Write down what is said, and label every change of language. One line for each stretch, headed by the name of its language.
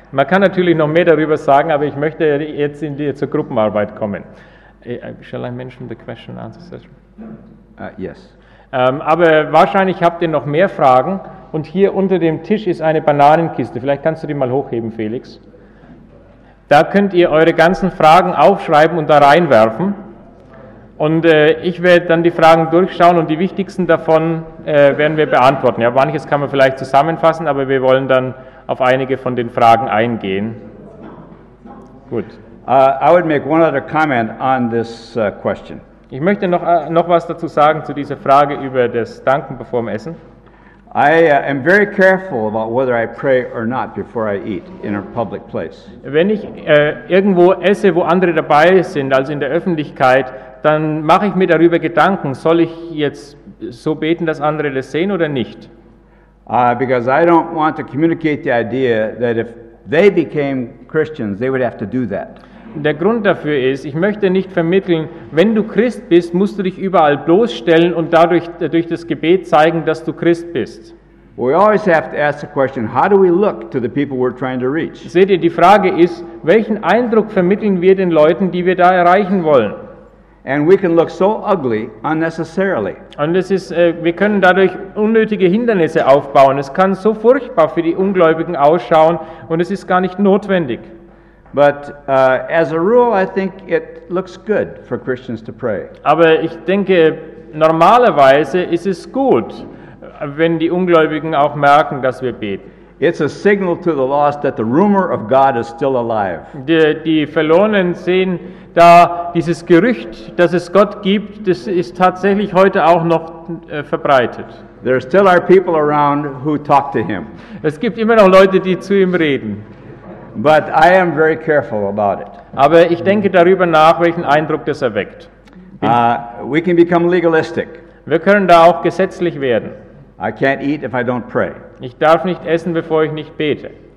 German: Man kann natürlich noch mehr darüber sagen, aber ich möchte jetzt in die, zur Gruppenarbeit kommen.
English: Shall I mention the question and answer session? Yes.
German: Aber wahrscheinlich habt ihr noch mehr Fragen. Und hier unter dem Tisch ist eine Bananenkiste. Vielleicht kannst du die mal hochheben, Felix. Da könnt ihr eure ganzen Fragen aufschreiben und da reinwerfen. Und ich werde dann die Fragen durchschauen und die wichtigsten davon werden wir beantworten. Ja, manches kann man vielleicht zusammenfassen, aber wir wollen dann auf einige von den Fragen eingehen. Gut.
English: I would make one other comment on this question.
German: Ich möchte noch was dazu sagen zu dieser Frage über das Danken bevor dem Essen.
English: I am very careful about whether I pray or not before I eat in a public place.
German: Wenn ich irgendwo esse, wo andere dabei sind, also in der Öffentlichkeit, dann mache ich mir darüber Gedanken, soll ich jetzt so beten, dass andere das sehen oder nicht?
English: Because I don't want to communicate the idea that if they became Christians, they would have to do that.
German: Der Grund dafür ist, ich möchte nicht vermitteln, wenn du Christ bist, musst du dich überall bloßstellen und dadurch durch das Gebet zeigen, dass du Christ bist.
English: We always have to ask the question, how do we look to the people we're trying to reach?
German: Seht ihr, die Frage ist, welchen Eindruck vermitteln wir den Leuten, die wir da erreichen wollen?
English: And we can look so ugly unnecessarily.
German: Und es ist, wir können dadurch unnötige Hindernisse aufbauen. Es kann so furchtbar für die Ungläubigen ausschauen und es ist gar nicht notwendig.
English: But as a rule, I think it looks good for Christians to pray.
German: Aber ich denke, normalerweise ist es gut, wenn die Ungläubigen auch merken, dass wir beten.
English: It's a signal to the lost that the rumor of God is still alive.
German: Die Verlorenen sehen da dieses Gerücht, dass es Gott gibt, das ist tatsächlich heute auch noch verbreitet.
English: There are still our people around who talk to him.
German: Es gibt immer noch Leute, die zu ihm reden.
English: But I am very careful about it.
German: Aber ich denke darüber nach, welchen Eindruck das erweckt.
English: We can become legalistic.
German: Wir können da auch gesetzlich werden.
English: I can't eat if I don't pray.
German: Ich darf nicht essen, bevor ich nicht bete.